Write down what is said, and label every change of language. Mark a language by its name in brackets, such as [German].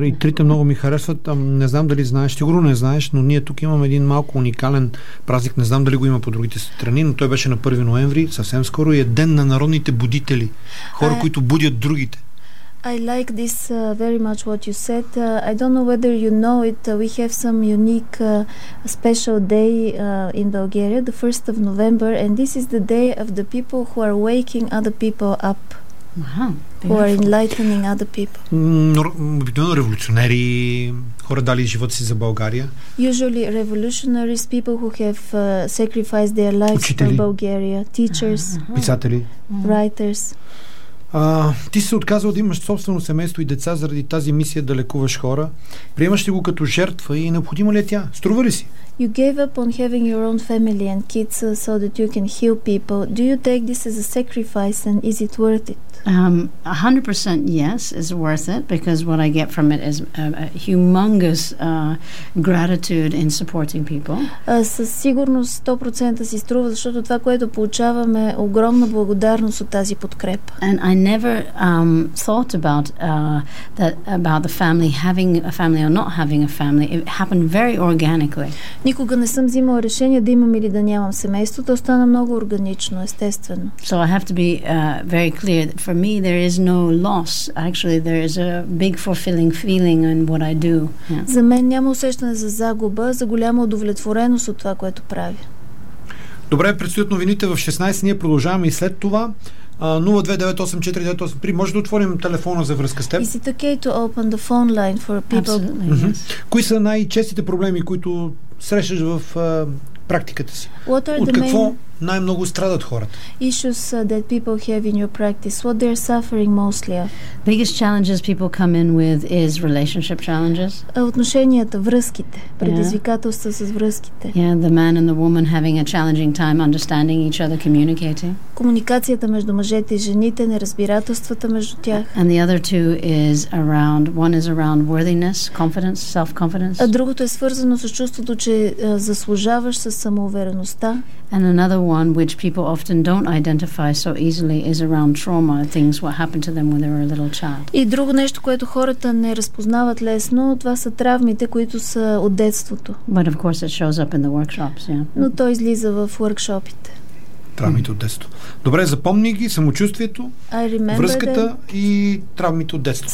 [Bulgarian] И трите много ми харесват. Не знам дали знаеш. Сигурно не знаеш, но ние тук имаме един малко уникален празник. Не знам дали го има по другите страни, но той беше на 1 ноември, съвсем скоро, и е ден на народните будители. Хора, които будят другите. [English] I like this very much what you said. I don't know whether you know it. We have some unique special day in Bulgaria, the 1st of November, and this is the day of the people who are waking other people up. Wow, who are enlightening other people. [Bulgarian] Обикновено революционери, хора дали живота си за България. [English] Usually revolutionaries, people who have sacrificed their lives for Bulgaria, teachers, [Bulgarian] писатели, [English] writers. [Bulgarian] Ти се отказал да имаш собствено семейство и деца заради тази мисия да лекуваш хора. Приемаш ли го като жертва и необходима ли е тя? Струва ли си? [English] You gave up on having your own family and kids so that you can heal people. Do you take this as a sacrifice and is it worth it? 100% yes, is worth it because what I get from it is a humongous gratitude in supporting people. [Bulgarian] Със сигурност 100% си струва, защото това, което получаваме, е огромна благодарност от тази подкрепа. [English] And I never thought about that about the family having a family or not having a family. It happened very organically. [Bulgarian] Никога не съм взимала решение да имам или да нямам семейство, то стана много органично, естествено. [English] So I have to be very clear that for me there is no loss. Actually there is a big fulfilling feeling in what I do. Yeah. [Bulgarian] За мен няма усещане за загуба, за голяма удовлетвореност от това, което правя. Добре, предстоят новините в 16, ние продължаваме и след това. 029-8-4-9-8-3. Може да отворим телефона за връзка с теб? [English] Is it okay to open the phone line for people? Absolutely, yes. [Bulgarian] Кои са най-честите проблеми, които срещаш в практиката си? [English] What are [Bulgarian] от [English] the [Bulgarian] какво [English] main [Bulgarian] най-много страдат хората? [English] Issues that people have in your practice, what they're suffering mostly of? Biggest challenges people come in with is relationship challenges. [Bulgarian] Отношенията, връзките, предизвикателства с връзките. [English] Yeah, the man and the woman having a challenging time understanding each other, communicating. [Bulgarian] комуникацията между мъжете и жените, неразбирателствата между тях. [English] And the other two is around, one is around worthiness, confidence, self-confidence. [Bulgarian] А другото е свързано с чувството, че заслужаваш, със самоувереността. [English] And another one, which people often don't identify so easily, is around trauma, things what happened to them when they were a little child. [Bulgarian] И друго нещо, което хората не разпознават лесно, това са травмите, които са от детството. [English] But of course it shows up in the workshops, yeah. [Bulgarian] Но то излиза в уъркшопите. Травмите от детството. Добре, запомни ги, самочувствието, връзката и травмите от детството.